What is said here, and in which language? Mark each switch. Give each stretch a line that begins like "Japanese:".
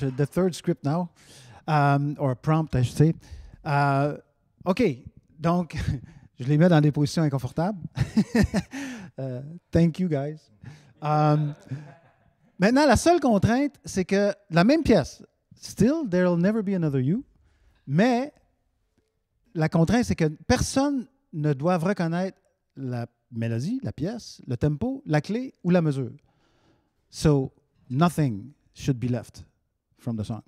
English: The third script now, or prompt, I should say.
French: OK, donc, je les mets dans des positions inconfortables.
English: thank you, guys.
French: Maintenant, la seule contrainte, c'est que la même pièce, still, there'll never be another you, mais la contrainte, c'est que personne ne doit reconnaître la mélodie, la pièce, le tempo, la clé ou la mesure.
English: So, nothing should be left from the song.